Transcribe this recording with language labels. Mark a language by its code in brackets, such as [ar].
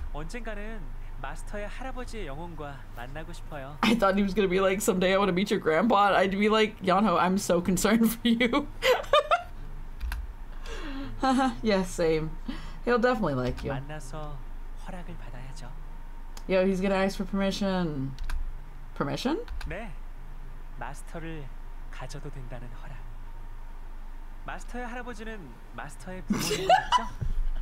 [ko] 언젠가는 마스터의 할아버지의 영혼과 만나고 싶어요. [en] I thought he was gonna be like, someday I want to meet your grandpa. I'd be like, Yeonho, I'm so concerned for you. Yes, same. He'll definitely like you. [ko] 만나서 허락을 받아야죠. [en] Yo, he's gonna ask for permission. Permission? [ko] 네. 마스터를 가져도 된다는 허락. 마스터의 할아버지는 마스터의 부모님이죠?